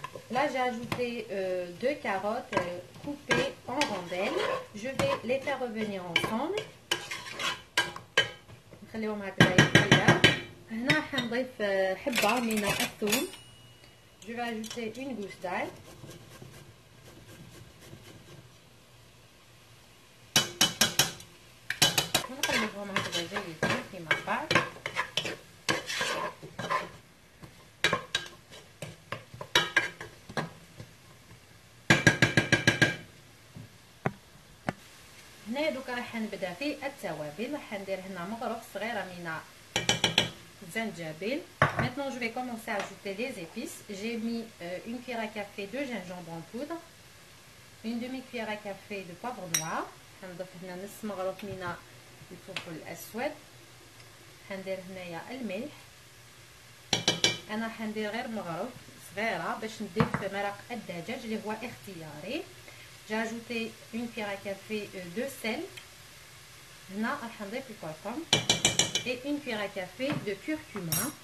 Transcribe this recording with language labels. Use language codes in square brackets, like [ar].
[fr] Là, j'ai ajouté deux carottes coupées en rondelles. Je vais les faire revenir ensemble. [ar] نخليهم هكذا يتقلى. هنا راح نضيف حبة من الثوم. [fr] جو في اجوتي اون غوس دال. [ar] نقلبهم هكذا جيدا كيما بعد. هنا دوكا راح نبدا في التوابل. راح ندير هنا مغرف صغيره من الزنجبيل. [fr] maintenant je vais commencer à ajouter les épices. j'ai mis une cuillère à café de gingembre en poudre, une demi cuillère à café de poivre noir. [ar] هنضيف هنا نص مغرف من الفلفل الاسود. هندير هنايا الملح. انا راح ندير غير مغرف صغيره باش نضيف في مرق الدجاج اللي هو اختياري. [fr] J'ai ajouté une cuillère à café de sel. [ar] هنا راح نضيف الكركم. [fr] Et une cuillère à café de curcuma.